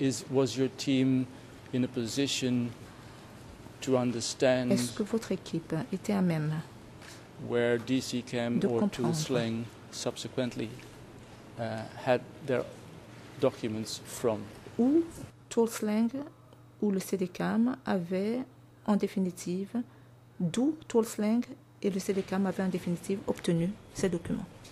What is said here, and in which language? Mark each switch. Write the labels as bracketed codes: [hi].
[en] Was your team in a position to understand [fr] est-ce que votre équipe était à même where DCCAM or Tulslang subsequently had their documents from. Où Tulslang ou le CDCAM avaient en définitive, d'où Tulslang et le CDCAM avaient en définitive obtenu ces documents.